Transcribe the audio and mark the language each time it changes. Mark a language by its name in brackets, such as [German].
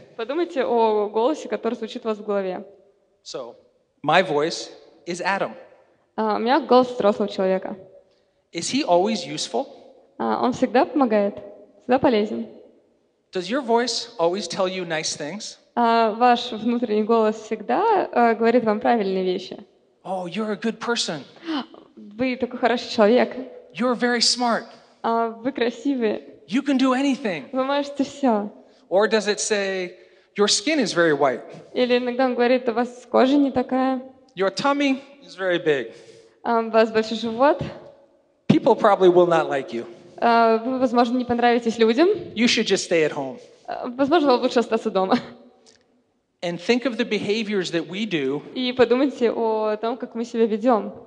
[Russian] Подумайте о голосе, который звучит у вас в голове. [English] So, my voice is Adam. [Russian] У меня голос взрослого человека. [English] Is he always useful? [Russian] Он всегда помогает. Всегда полезен. [English] Does your voice always tell you nice things? [Russian] Ваш внутренний голос всегда говорит вам правильные вещи. [English] Oh, you're a good person. [Russian] Вы такой хороший человек. [English] You're very smart. [Russian] Вы красивый. [English] You can do anything. [Russian] Вы можете все. [English] Or does it say your skin is very white? [Russian] Или иногда он говорит, у вас кожа не такая. [English] Your tummy is very big. [Russian] У вас большой живот. [English] People probably will not like you. [Russian] Вы, возможно, не понравитесь людям. [English] You should just stay at home. [Russian] Возможно, вам лучше остаться дома. [English] And think of the behaviors that we do. [Russian] И подумайте о том, как мы себя ведем.